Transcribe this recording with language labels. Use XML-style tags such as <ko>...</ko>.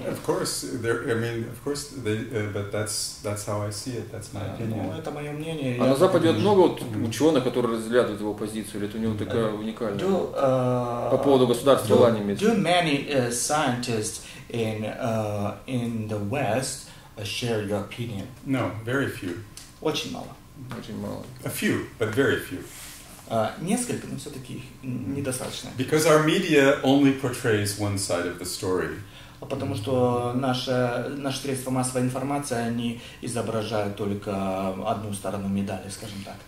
<en>it. Of course, but that's how I see it. That's my opinion.</en> <ru>Ну, это мое мнение. А на Западе много ученых, которые разделяют его позицию, или это у него такая уникальная? По поводу государства Алании, имеется в виду.</ru> <en>Do many scientists in the West share your opinion? No, very few.</en> <ru>Очень мало. Очень мало.</ru> <en>A few, but very few.</en> <ru>Несколько, но все-таки недостаточно.</ru> <en>Because our media only portrays one side of the story.</en> <ru>Потому что наши средства массовой информации, они изображают только одну сторону медали, скажем так.</ru>